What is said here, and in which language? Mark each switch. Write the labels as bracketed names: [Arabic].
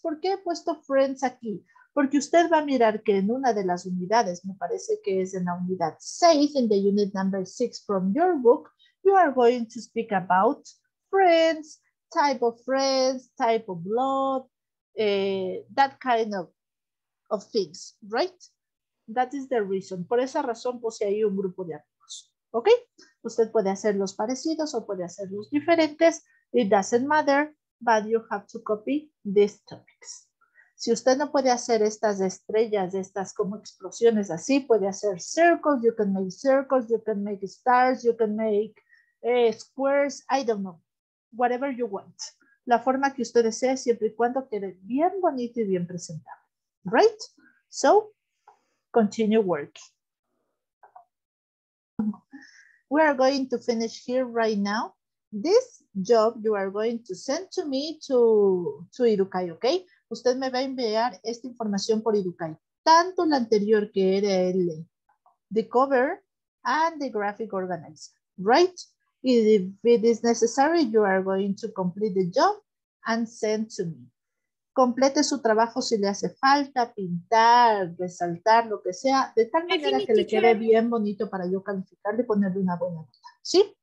[Spanish] ¿Por qué he puesto friends aquí? Porque usted va a mirar que en una de las unidades, me parece que es en la unidad 6, [English] in the unit number 6 from your book, you are going to speak about friends, type of blood, that kind of things, right? That is the reason. [Spanish] Por esa razón puse ahí un grupo de amigos, ¿ok? Usted puede hacer los parecidos o puede hacer los diferentes. [English] It doesn't matter, but you have to copy these topics. [Spanish] Si usted no puede hacer [English] estas estrellas, estas como explosiones así, puede hacer circles, you can make stars, you can make squares, I don't know, whatever you want. [Spanish] La forma que usted desee, siempre y cuando quede bien bonito y bien presentado. [English] Right? So, continue working. We are going to finish here right now. This job you are going to send to me to Irukai, okay? [Spanish] Usted me va a enviar esta información por Irukai. Tanto la anterior que era el [English] the cover and the graphic organizer, right? If it is necessary, you are going to complete the job and send to me. [Spanish] Complete su trabajo si le hace falta, pintar, resaltar, lo que sea, de tal manera que le quede bien bonito para yo calificarle y ponerle una buena nota, ¿sí?